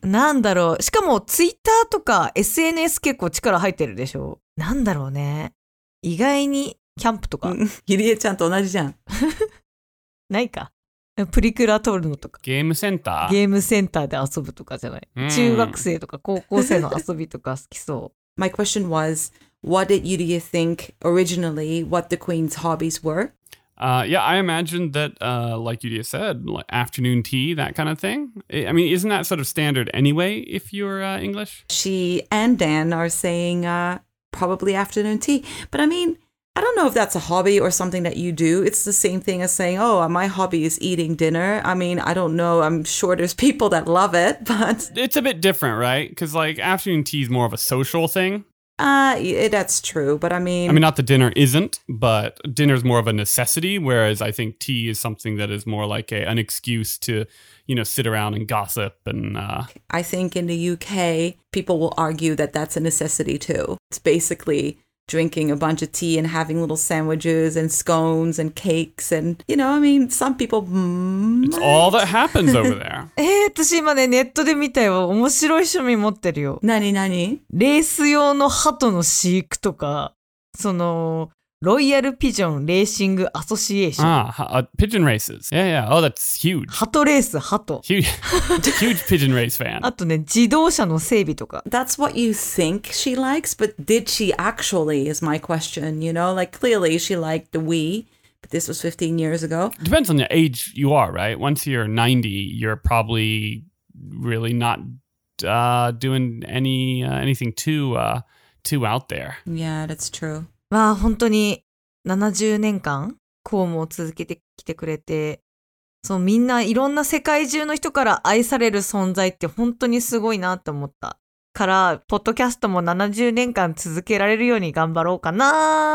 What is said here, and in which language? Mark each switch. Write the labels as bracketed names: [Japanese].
[Japanese] なんだろう、しかもツイッターとか SNS 結構力入ってるでしょ。なんだろうね、意外にキャンプとか、ゆりえちゃんと同じじゃんないか、プリクラ撮るのとか、ゲームセンター、ゲームセンターで遊ぶとかじゃない、うん、中学生とか高校生の遊びとか好きそう。 [English] My question was, what did you think originally what the Queen's hobbies were? Yeah, I imagined that, like Yudia said, like afternoon tea, that kind of thing. I mean, isn't that sort of standard anyway if you're English? She and Dan are saying probably afternoon tea, but I meanI don't know if that's a hobby or something that you do. It's the same thing as saying, oh, my hobby is eating dinner. I mean, I don't know. I'm sure there's people that love it, but... It's a bit different, right? Because, like, afternoon tea is more of a social thing. That's true, but I mean... I mean, not that dinner isn't, but dinner is more of a necessity, whereas I think tea is something that is more like an excuse to, you know, sit around and gossip and... I think in the UK, people will argue that that's a necessity, too. It's basically... drinking a bunch of tea and having little sandwiches and scones and cakes and, you know, I mean, some people might. It's all that happens over there. [Japanese] 私今ね、ネットで見たよ。面白い趣味持ってるよ。何何？レース用の鳩の飼育とか、その、ロイヤルピジョンレーシングアソシエーション。ピジョンレース。 [English] Yeah, yeah. Oh, that's huge. [Japanese] 鳩レース、鳩。 [English] Huge pigeon race fan. [Japanese] あとね、自動車の整備とか。 [English] That's what you think she likes, but did she actually is my question. You know, like clearly she liked the Wii, but this was 15 years ago. Depends on the age you are, right? Once you're 90, you're probably really not doing anything too out there. Yeah, that's true. [Japanese] まあ本当に70年間公務を続けてきてくれて、そう、みんないろんな世界中の人から愛される存在って本当にすごいなと思ったから、ポッドキャストも70年間続けられるように頑張ろうかな